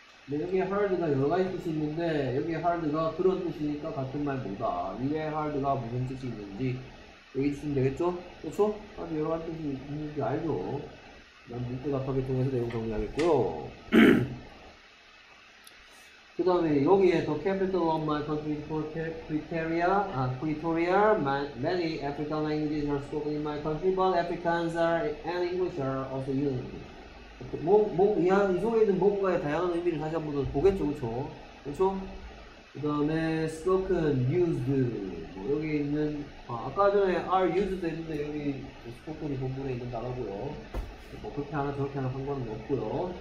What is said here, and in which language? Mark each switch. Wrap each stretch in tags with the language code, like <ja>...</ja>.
<ko>네, 여기 hard가 여러 가지 뜻이 있는데 여기 hard가 그런 뜻이니까 같은 말 뭐다 위에 hard가 무슨 뜻이 있는지 있으면 되겠죠? 그렇죠? 아주 여러 가지 뜻이 있는 게 알죠. 난 문구답하게 통해서 내용 정리하겠고요. 그 다음에 여기에</ko> <en>the capital of my country Pretoria many African languages are spoken in my country but Africans are and English are also used.</en> <ko>이 속에 있는 뭔가의 다양한 의미를 다시 한번 더 보겠죠. 그렇죠? 그 다음에 spoken, used 뭐 여기 있는 아까 전에 are used 했는데 여기 spoken이 본문에 있는 단어고요. 뭐 그렇게 하나 저렇게 하나 상관은 없고요.</ko>